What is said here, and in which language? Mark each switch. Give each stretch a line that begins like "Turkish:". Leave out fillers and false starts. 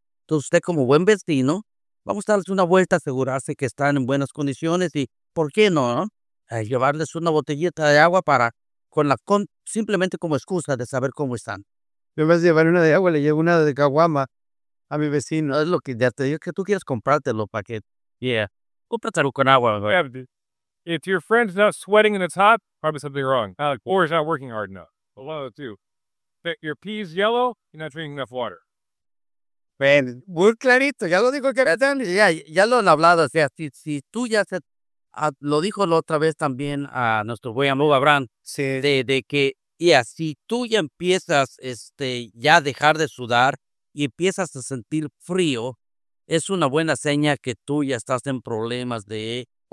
Spanish: Entonces usted como buen vecino, vamos a darles una vuelta, asegurarse que están en buenas condiciones y, ¿por qué no? Llevarles una botellita de agua para, simplemente como excusa de saber cómo están. Yo me voy a llevar una de agua, le llevo una de caguama a mi vecino. Es lo que ya te digo, que tú quieres comprártelo para que... Yeah, cómprate algo con agua.
English: Yeah, if your friend's not sweating and it's hot, probably something wrong. Or it's not working hard enough. A lot of the two. If your pee's yellow, you're not drinking enough water.
Spanish: Bueno, muy clarito, ya lo dijo el capitán. Ya lo han hablado, o sea, si tú ya lo dijo la otra vez también a nuestro buen amigo Abraham, sí. De que, si tú ya empiezas ya a dejar de sudar y empiezas a sentir frío, es una buena seña que tú ya estás en problemas de...